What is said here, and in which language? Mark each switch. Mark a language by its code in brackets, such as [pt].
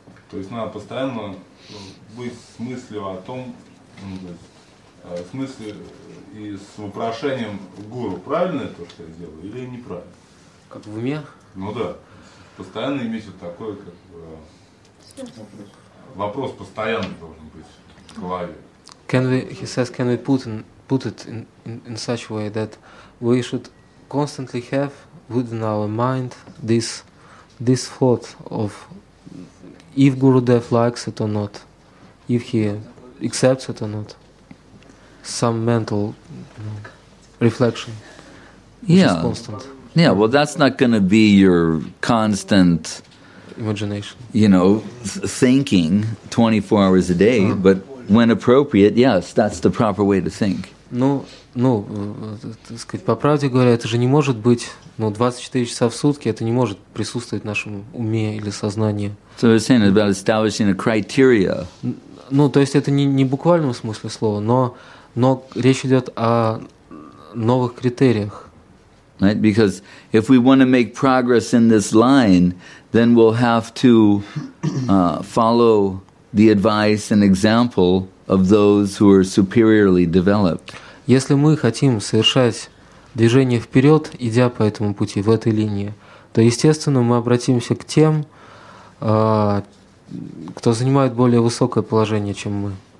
[ru] То есть надо постоянно быть с мыслью о том, с мыслью и с вопрошением гуру, правильно это, что я сделаю, или неправильно? Как в уме? Ну да. Постоянно иметь вот такое, как вопрос постоянно должен быть в голове. [en] Can we, he says, can we put it in such way that we should constantly have within our mind this thought of if Gurudev likes it or not, if he accepts it or not, some mental reflection. Yeah. Is constant. Yeah, well, that's not going to be your constant imagination, you know, thinking 24 hours a day, but when appropriate, yes, that's the proper way to think. [ru] Ну, так сказать, по правде говоря, это же не может быть, 24 часа в сутки, это не может присутствовать в нашем уме или сознании. [en] So you're saying about establishing a criteria. [ru] Ну, то есть это не в буквальном смысле слова, но речь идет о новых критериях. [en] Right? Because if we want to make progress in this line, then we'll have to follow the advice and example of those who are superiorly developed. [ru] Если мы хотим совершать движение вперед, идя по этому пути, в этой линии, то, естественно, мы обратимся к тем, кто занимает более высокое положение, чем мы.